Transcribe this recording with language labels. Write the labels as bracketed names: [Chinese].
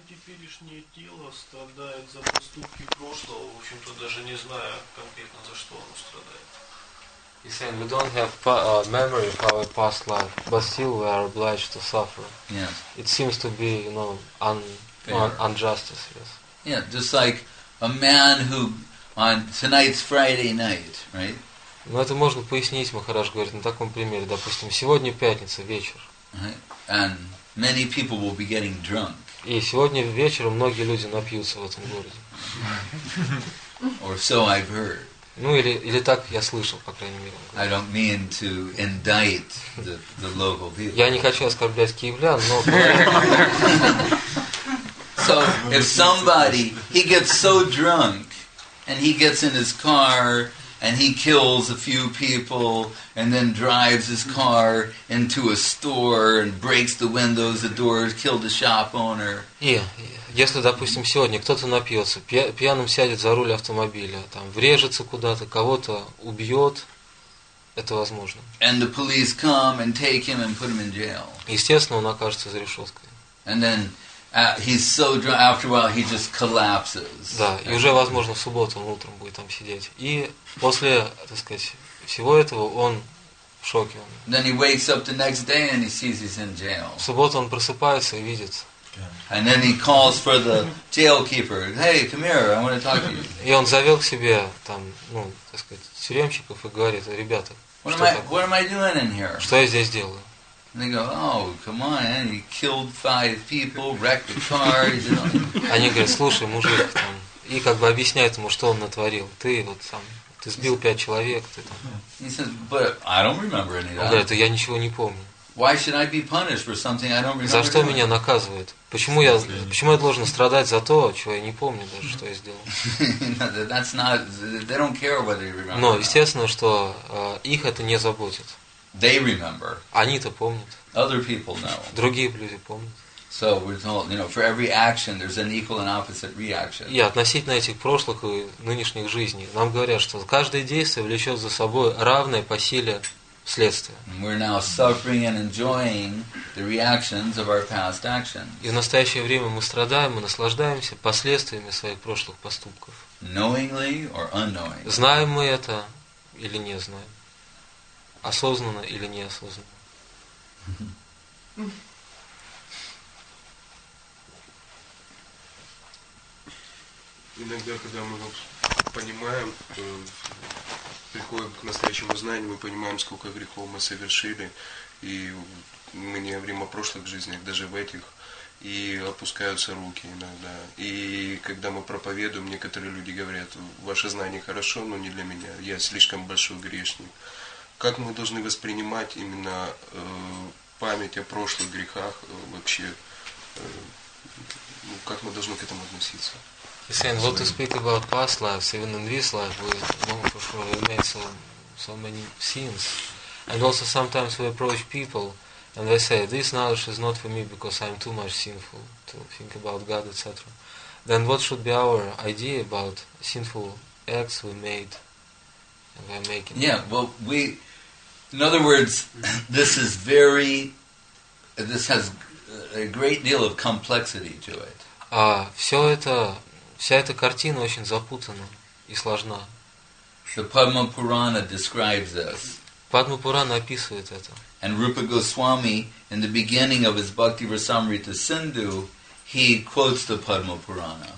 [Russian] Нынешнее тело страдает за поступки прошлого, в общем-то даже не зная конкретно за что оно страдает. [English] He said we don't have memory of our past life, but still we are obliged to suffer. Yes. It seems to be, you know, injustice. Yes. Yeah, just like a man who on tonight's Friday night, right? [Russian] Ну это можно пояснить, Махарадж говорит, на таком примере, допустим, сегодня пятница вечер. [English] And many people will be getting drunk. [Russian] И сегодня вечером многие люди напьются в этом городе. [English] Or so I've heard. [Russian] Ну или так я слышал, по крайней мере. [English] I don't mean to indict the local people. [Russian] Я не хочу оскорблять киевлян, но. [English] So if somebody he gets so drunk and he gets in his car and he kills a few people and then drives his car into a store and breaks the windows, the doors, killed the shop owner. Yeah. [Russian] Если, допустим, сегодня кто-то напьется, пьяным сядет за руль автомобиля, там врежется куда-то, кого-то убьет, это возможно. [English] And the police come and take him and put him in jail. [Russian] Естественно, он окажется за решеткой. [English] And then he's so drunk, after a while he just collapses. [Russian] Да, и уже, возможно, в субботу он утром будет там сидеть. И после, так сказать, всего этого он в шоке. [English] Then he wakes up the next day and he sees he's in jail. [Russian] В субботу он просыпается и видит. [English] And then he calls for the jailkeeper. Hey, come here, I want to talk to you. [Russian] И он зовет к себе, там, ну, так сказать, тюремщиков и говорит, ребята, [English] what am I doing in here? [Russian] Что я здесь делаю? [English] And they go, oh, come on, man. He killed five people, wrecked the car, you know. [Russian] Они говорят, слушай, мужик, там, и как бы объясняют ему, что он натворил. Ты вот сам, ты сбил пять человек, ты там. [English] He says, but I don't remember any of that. [Russian] Он говорит, я ничего не помню. [English] Why should I be punished for something I don't remember? [Russian] За что меня наказывают? Почему я должен страдать за то, чего я не помню даже, что я сделал? [English] That's not, they don't care whether you remember. [Russian] Но, естественно, что их это не заботит. [English] They remember. [Russian] Они-то помнят. [English] Other people know. [Russian] Другие люди помнят. [English] So we're told, you know, for every action, there's an equal and opposite reaction. [Russian] И относительно этих прошлых и нынешних жизней, нам говорят, что каждое действие влечет за собой равное по силе следствия. [English] We're now suffering and enjoying the reactions of our past actions. [Russian] И в настоящее время мы страдаем и наслаждаемся последствиями своих прошлых поступков. [English] Knowingly or unknowingly. [Russian] Знаем мы это или не знаем. Осознанно или неосознанно. Иногда, когда мы понимаем, приходим к настоящему знанию, мы понимаем, сколько грехов мы совершили, и мы не говорим о прошлых жизнях, даже в этих, и опускаются руки иногда. И когда мы проповедуем, некоторые люди говорят, ваше знание хорошо, но не для меня, я слишком большой грешник. Как мы должны воспринимать именно память о прошлых грехах вообще? Как мы должны к этому относиться? [English] He said, what to speak about past lives, even in this life, we long before we made so many sins. And also sometimes we approach people and they say, this knowledge is not for me because I'm too much sinful to think about God, etc. Then what should be our idea about sinful acts we made and we're making? Yeah, well, we... In other words, this is very, this has a great deal of complexity to it. [Russian] Вся эта картина очень запутана и сложна. [English] The Padma Purana describes this. [Russian] Padma Purana описывает это. [English] And Rupa Goswami, in the beginning of his Bhakti Rasamrita Sindhu, he quotes the Padma Purana.